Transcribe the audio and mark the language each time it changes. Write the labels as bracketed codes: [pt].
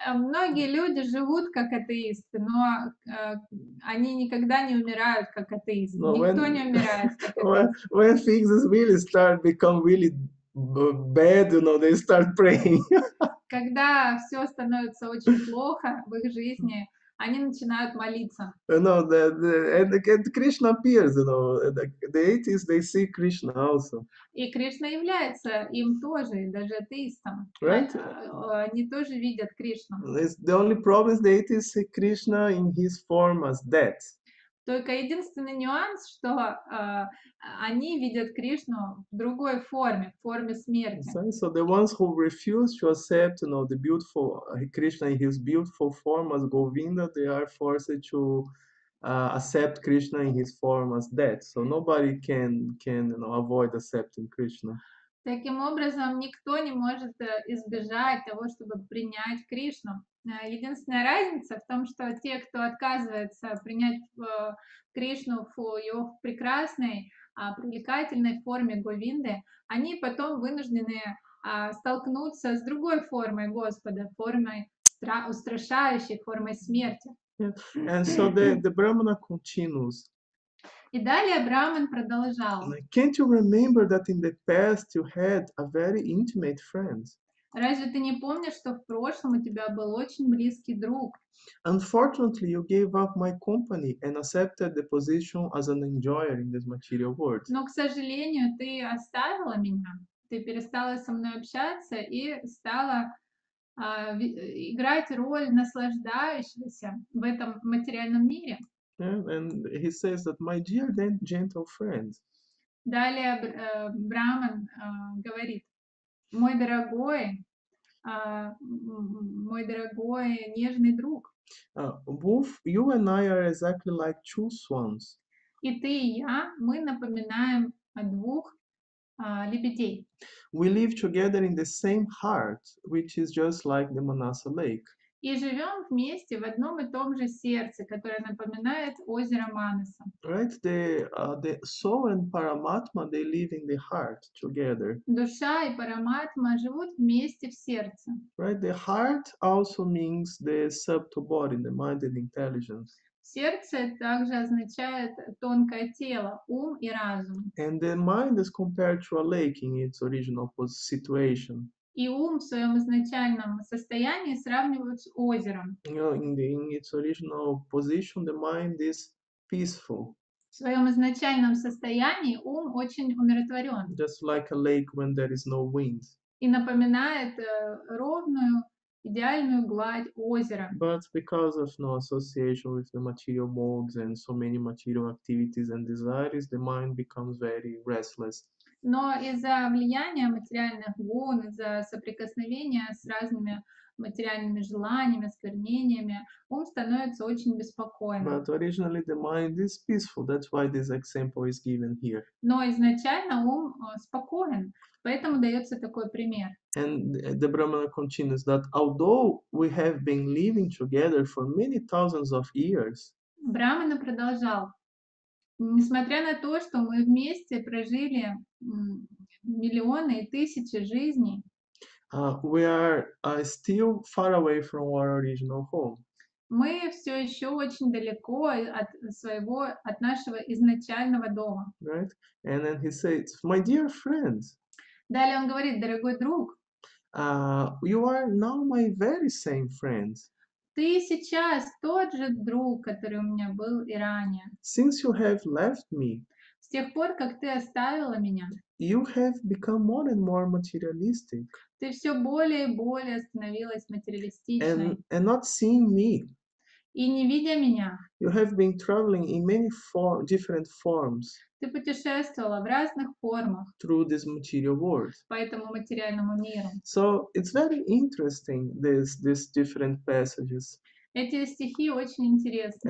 [ru] Многие люди живут как атеисты, но они никогда не умирают как атеист. Никто не умирает как атеист. [en] When things really start become really bad, you know, they start praying. [ru] Когда все становится очень плохо в их жизни, они начинают молиться. [en] No, and Krishna appears, you know, the atheists, they see Krishna also. [ru] И Кришна является им тоже, даже атеистам. [en] Right? [ru] Они тоже видят Кришну. [en] The only problem is the atheists see Krishna in his form as death. [ru] Только единственный нюанс, что они видят Кришну в другой форме, в форме смерти. [en] So the ones who refuse to accept, you know, the beautiful Krishna in his beautiful form as Govinda, they are forced to accept Krishna in his form as death. So nobody can you know, avoid accepting Krishna. [ru] Таким образом, никто не может избежать того, чтобы принять Кришну. Единственная разница в том, что те, кто отказывается принять Кришну в ее прекрасной, привлекательной форме Говинды, они потом вынуждены столкнуться с другой формой Господа, формой устрашающей, формой смерти. [en] And so the Brahmana continues. [ru] И далее Брахман продолжал. [en] Can't you remember that in the past you had a very intimate friend? [ru] Разве ты не помнишь, что в прошлом у тебя был очень близкий друг? [en] Unfortunately, you gave up my company and accepted the position as an enjoyer in this material world. [ru] Но, к сожалению, ты оставила меня. Ты перестала со мной общаться и стала играть роль наслаждающегося в этом материальном мире. [en] And he says that, my dear then gentle friend. [ru] Далее Браман говорит, мой дорогой, мой дорогой нежный друг. [en] Both you and I are exactly like two swans. [ru] И ты и я, мы напоминаем о двух лебедей. [en] We live together in the same heart, which is just like the Manasa Lake. [ru] И живем вместе в одном и том же сердце, которое напоминает озеро Манаса. [en] Right, the soul and Paramatma, they live in the heart together. [ru] Душа и Параматма живут вместе в сердце. [en] Right, the heart also means the subtle body, the mind and intelligence. [ru] Сердце также означает тонкое тело, ум и разум. [en] And the mind is compared to a lake in its original situation. [ru] И ум в своем изначальном состоянии сравнивают с озером. [en] You know, in its original position, the mind is peaceful. [ru] В своем изначальном состоянии ум очень умиротворен. [en] Just like a lake when there is no wind. [ru] И напоминает ровную, идеальную гладь озера. [en] But because of no association with the material modes and so many material activities and desires, the mind becomes very restless. [ru] Но из-за влияния материальных вон, из-за соприкосновения с разными материальными желаниями, осквернениями, ум становится очень беспокойным. [en] But originally the mind is peaceful, that's why this example is given here. [ru] Но изначально ум спокоен, поэтому дается такой пример. [en] And the Brahmana continues that although we have been living together for many thousands of years, [ru] Брахмана продолжал. Несмотря на то, что мы вместе прожили миллионы и тысячи жизней, [en] we are still far away from our original home. [ru] Мы все еще очень далеко от своего, от нашего изначального дома. [en] Right? And then he says, my dear friend. [ru] Далее он говорит, дорогой друг. [en] You are now my very same friend. [ru] Ты сейчас тот же друг, который у меня был и ранее. [en] Since you have left me, [ru] с тех пор, как ты оставила меня, [en] you have become more and more materialistic. [ru] Ты все более и более становилась материалистичной. [en] And not seeing me, [ru] и не видя меня, [en] you have been traveling in many different forms. [ru] Ты путешествовала в разных формах [en] through this material world. [ru] По этому материальному миру. [en] So it's very interesting these different passages. [ru] Эти стихи очень интересны.